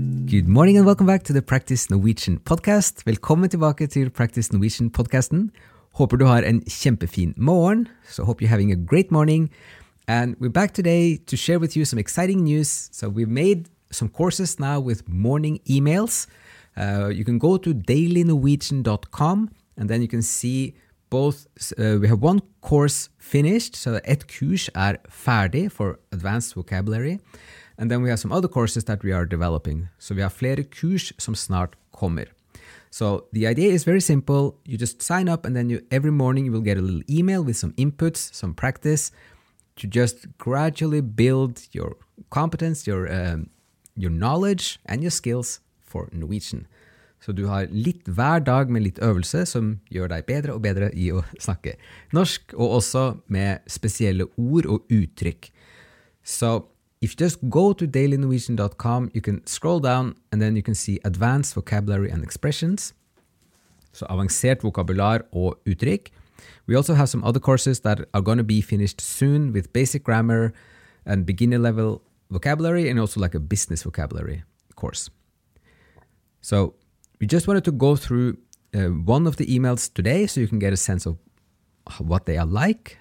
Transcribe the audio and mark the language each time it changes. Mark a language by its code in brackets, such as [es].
[en] Good morning and welcome back to the Practice Norwegian podcast. [no] Velkommen tilbake til Practice Norwegian podcasten. Håper du har en kjempefin morgen. [en] So hope you're having a great morning. And we're back today to share with you some exciting news. So we've made some courses now with morning emails. You can go to dailynorwegian.com and then you can see both. We have one course finished. So [no] et kurs ferdig for [en] advanced vocabulary. And then we have some other courses that we are developing. So we have [no] flere kurs som snart kommer. [en] So the idea is very simple. You just sign up and then you every morning you will get a little email with some inputs, some practice to just gradually build your competence, your knowledge and your skills for Norwegian. [no] Så du har litt hver dag med litt øvelse som gjør deg bedre og bedre I å snakke norsk og også med spesielle ord og uttrykk. [en] Så if you just go to dailynorwegian.com, you can scroll down and then you can see advanced vocabulary and expressions. [no] So avansert vokabular og uttrykk. [en] We also have some other courses that are going to be finished soon with basic grammar and beginner level vocabulary and also like a business vocabulary course. So we just wanted to go through one of the emails today so you can get a sense of what they are like.